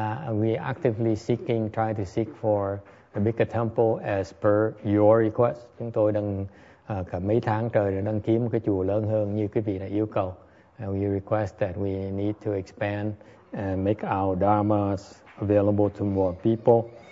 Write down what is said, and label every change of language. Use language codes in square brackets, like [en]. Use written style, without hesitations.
[en] We actively seeking, try to seek for the bigger temple as per your request. [vi] Chúng tôi đang cả mấy tháng trời đang kiếm một cái chùa lớn hơn như quý vị đã yêu cầu. [en] We request that we need to expand and make our dharmas available to more people.